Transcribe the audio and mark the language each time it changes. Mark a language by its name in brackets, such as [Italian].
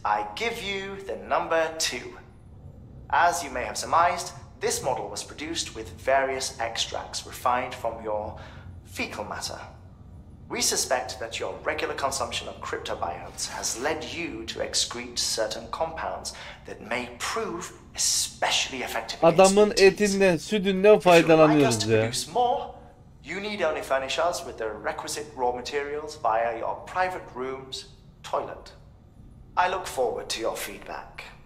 [English] I give you the number two. As you may have surmised, this model was produced with various extracts refined from your fecal matter. We suspect that your regular consumption of cryptobiotes has led you to excrete certain compounds that may prove especially effective. [Turkish] Adamın etinden, sütünden faydalanıyoruz ya. [English] You need only furnish us with the requisite raw materials via your private room's toilet. I look forward to your feedback.